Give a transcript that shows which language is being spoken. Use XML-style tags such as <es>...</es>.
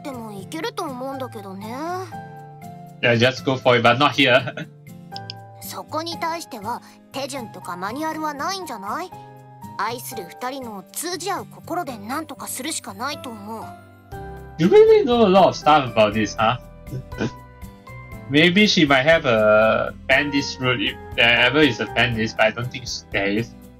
<en>Yeah, just go for it, but not here.</en> <ja>そこに対しては手順とかマニュアルはないんじゃない？愛する二人の通じ合う心で何とかするしかないと思う。</ja> <en>You really know a lot of stuff about this, huh? Maybe she might have a bandit route if there ever is a bandit, but I don't think there is.</en>